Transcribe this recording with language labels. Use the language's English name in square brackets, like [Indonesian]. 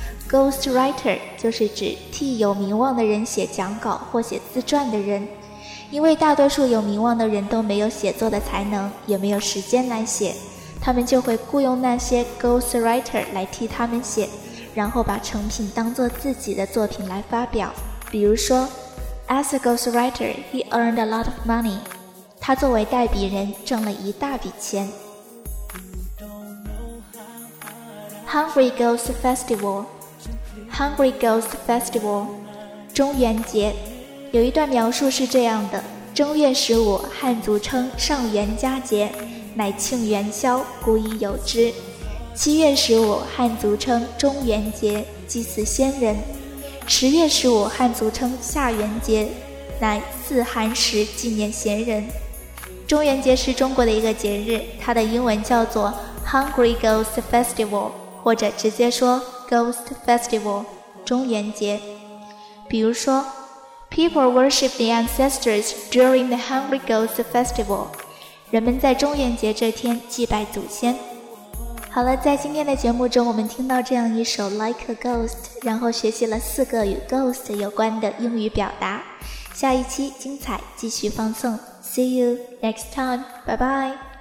[Chinese] Ghostwriter 就是指替有名望的人写讲稿或写自传的人，因为大多数有名望的人都没有写作的才能，也没有时间来写，他们就会雇佣那些 Ghostwriter 来替他们写，然后把成品当作自己的作品来发表。比如说， [English] As a ghostwriter, he earned a lot of money. [Chinese] 他作为代笔人挣了一大笔钱。 [English] Hungry Ghost Festival， Hungry Ghost Festival， [Chinese] 中元节。有一段描述是这样的：正月十五，汉族称上元佳节，乃庆元宵，古已有之。七月十五，汉族称中元节，祭祀先人。十月十五，汉族称下元节，乃祀寒食，纪念贤人。中元节是中国的一个节日，它的英文叫做 Hungry Ghost Festival， 或者直接说 Ghost Festival， 中元节。比如说， [English] People worship the ancestors during the Hungry Ghost Festival， [Chinese] 人们在中元节这天祭拜祖先。好了，在今天的节目中，我们听到这样一首 Like a Ghost， 然后学习了四个与 Ghost 有关的英语表达。下一期精彩继续放送， [English] See you next time， [Chinese] 拜拜。